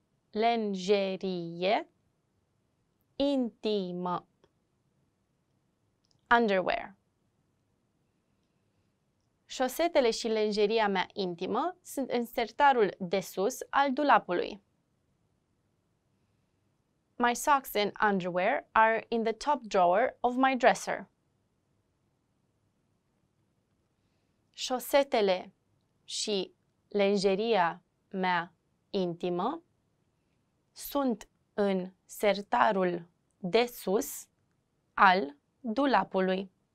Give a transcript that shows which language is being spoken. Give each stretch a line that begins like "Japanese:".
Romanian: Lingerie intimă.
English: Underwear.
Romanian: Șosetele și lingeria mea intimă sunt în sertarul de sus al dulapului.
English: My socks and underwear are in the top drawer of my dresser.
Romanian: Șosetele și lingeria mea intimă sunt în sertarul de sus al dulapului.